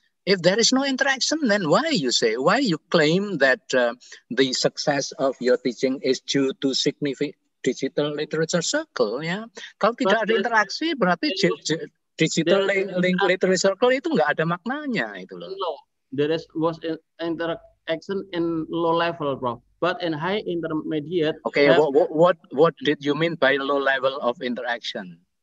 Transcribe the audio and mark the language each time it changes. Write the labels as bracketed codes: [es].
[en] If there is no interaction, then why you claim that the success of your teaching is due to significant digital literature circle, yeah? [id] Kalau tidak ada interaksi, berarti digital link literature circle itu nggak ada maknanya, itu loh. [en] No, there was interaction in low level, bro. But in high intermediate. Okay, what did you mean by low level of interaction?